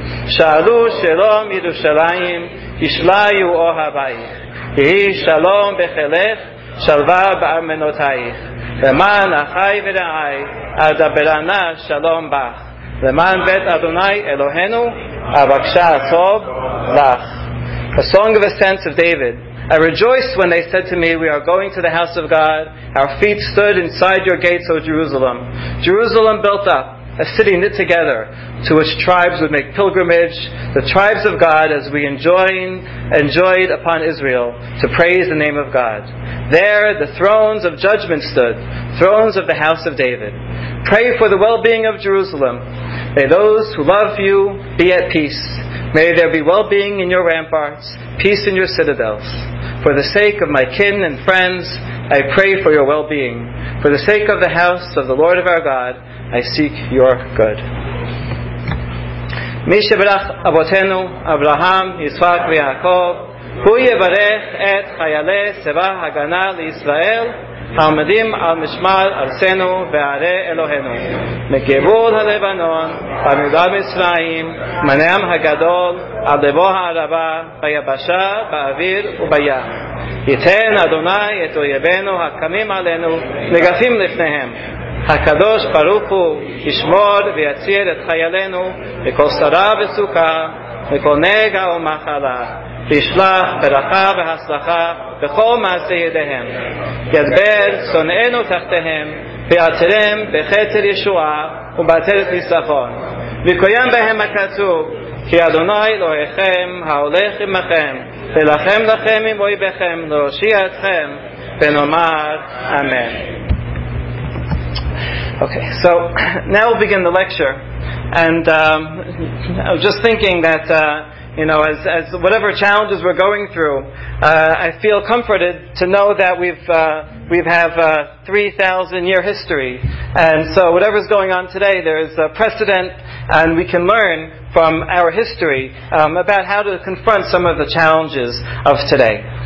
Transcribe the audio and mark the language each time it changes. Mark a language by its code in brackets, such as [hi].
[he] שאלו שלום ירושלים, ישליו אוהבייך, יהי שלום בחילך, שלווה בארמנותייך. למען אחי ורעי, אדברה נא שלום בך. למען בית אדוני אלוהינו, אבקשה טוב לך. [en] A song of ascents of David. I rejoiced when they said to me, we are going to the house of God. Our feet stood inside your gates, O Jerusalem. Jerusalem built up, a city knit together, to which tribes would make pilgrimage, the tribes of God, as we enjoyed upon Israel, to praise the name of God. There the thrones of judgment stood, thrones of the house of David. Pray for the well-being of Jerusalem. May those who love you be at peace. May there be well-being in your ramparts, peace in your citadels. For the sake of my kin and friends, I pray for your well-being. For the sake of the house of the Lord of our God, I seek your good. [he] מי שברך אבותינו אברהם, יצחק ויעקב, הוא יברך את חיילי צבא הגנה לישראל העומדים על משמר ארצנו וערי אלוהינו, מגבול הלבנון, במדבר מצרים, מנעם הגדול, עד לבוא הערבה, ביבשה, באוויר ובים. ייתן אדוני את אויבינו הקמים עלינו, נגפים לפניהם. הקדוש ברוך הוא ישמור ויציר את חיילינו מכל צרה וסוכה, מכל נגע ומחלה, וישלח ברכה והצלחה בכל מעשי ידיהם. ידבר שונאינו תחתיהם, ויעצרם בחצר ישועה ובעצרת ניצחון. ויקוים בהם הכתוב, כי אדוני אלוהיכם ההולך עמכם, ולחם לכם עם אויביכם, להושיע אתכם, ונאמר אמן. [en] Okay, so now we'll begin the lecture, and I was just thinking that, you know, as whatever challenges we're going through, I feel comforted to know that we have a 3,000-year history, and so whatever's going on today, there is a precedent, and we can learn from our history about how to confront some of the challenges of today.